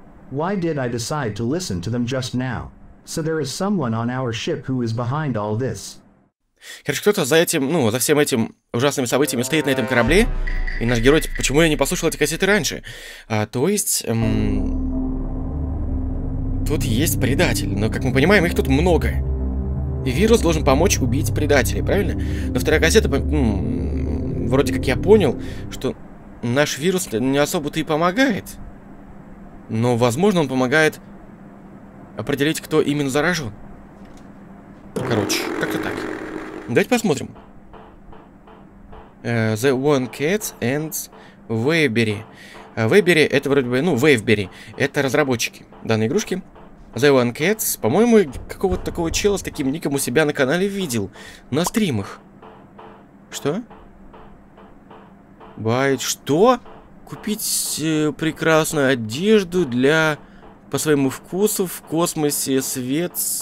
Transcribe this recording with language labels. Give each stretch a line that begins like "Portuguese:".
English: Why did I decide to listen to them just now? So there is someone on our ship who is behind all this.
Russian: Короче, кто-то за этим, ну, за всем этим ужасными событиями стоит на этом корабле. И наш герой, типа, почему я не послушал эти кассеты раньше? А, то есть, тут есть предатель, но, как мы понимаем, их тут много. И вирус должен помочь убить предателей, правильно? Но вторая кассета, вроде как я понял, что наш вирус не особо-то и помогает. Но, возможно, он помогает определить, кто именно заражен. Короче, как-то так. Давайте посмотрим. The One Cat and Waybury. Waybury это вроде бы, ну, Waybury. Это разработчики. данной игрушки. The One Cats, по-моему, какого-то такого чела с таким ником у себя на канале видел. На стримах. Что? Байт, что? Купить прекрасную одежду для... По своему вкусу в космосе свет...